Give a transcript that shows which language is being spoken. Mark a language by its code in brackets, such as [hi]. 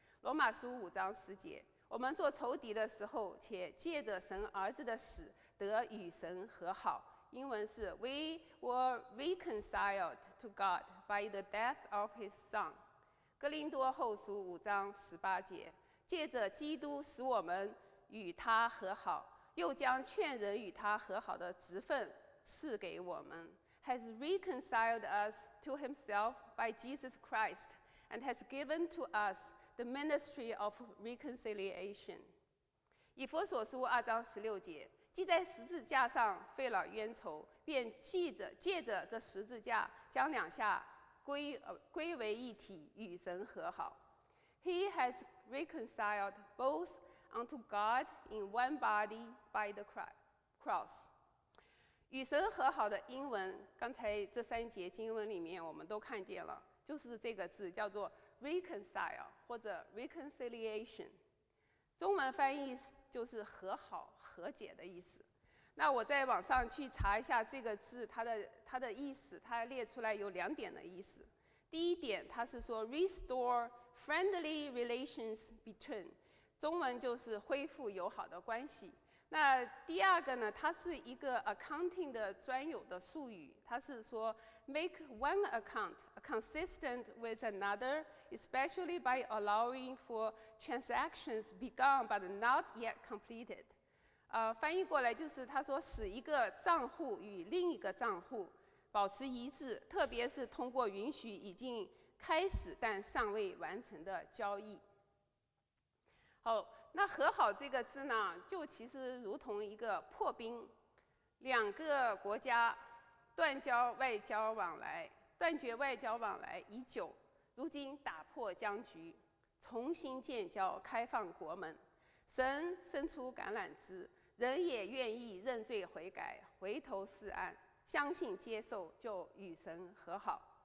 [zh] 罗马书五章十节，我们做仇敌的时候，且借着神儿子的死得与神和好，英文是 [en] We were reconciled to God by the death of his son。 [zh] 哥林多后书五章十八节，借着基督使我们与他和好，又将劝人与他和好的职分赐给我们。 [en] Has reconciled us to himself by Jesus Christ and has given to us the ministry of reconciliation。 [zh] 以弗所书二章十六节，既在十字架上废了冤仇，便借着这十字架将两下 归为一体，与神和好。 [en] He has reconciled both unto God in one body by the cross。 [zh] 与神和好的英文，刚才这三节经文里面我们都看见了，就是这个字叫做 reconcile 或者 reconciliation， 中文翻译就是和好和解的意思。那我在网上去查一下这个字它的意思，它列出来有两点的意思。第一点，它是说 [en] restore friendly relations between， [zh] 中文就是恢复友好的关系。那第二个呢，它是一个 accounting 的专有的术语，它是说 [en] make one account consistent with another, especially by allowing for transactions begun but not yet completed。 [zh] 翻译过来就是它说使一个账户与另一个账户保持一致，特别是通过允许已经开始但尚未完成的交易。好，那和好这个字呢，就其实如同一个破冰，两个国家断交外交往来，断绝外交往来已久，如今打破僵局，重新建交，开放国门，神伸出橄榄枝，人也愿意认罪悔改，回头是岸，相信接受，就与神和好。